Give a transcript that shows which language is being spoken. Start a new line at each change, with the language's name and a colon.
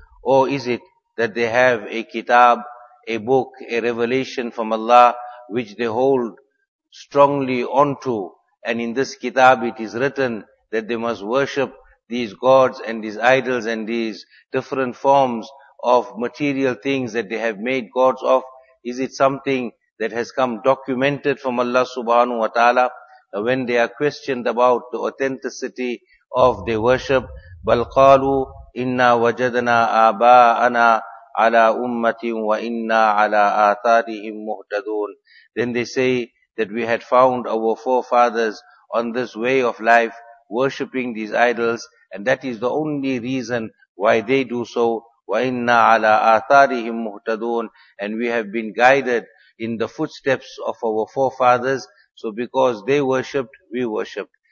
English: Or is it that they have a kitab, a book, a revelation from Allah, which they hold strongly onto, and in this kitab it is written that they must worship these gods and these idols and these different forms of material things that they have made gods of? Is it something that has come documented from Allah subhanahu wa ta'ala? When they are questioned about the authenticity of their worship,
Arabic: بَلْ قَالُوا إِنَّا وَجَدْنَا آبَاءَنَا عَلَىٰ أُمَّةٍ وَإِنَّا عَلَىٰ آثَارِهِمْ مُهْتَدُونَ.
English: Then they say that we had found our forefathers on this way of life, worshipping these idols, and that is the only reason why they do so.
Arabic: وَإِنَّا عَلَىٰ آثَارِهِمْ مُهْتَدُونَ.
English: And we have been guided in the footsteps of our forefathers, so because they worshipped, we worshipped.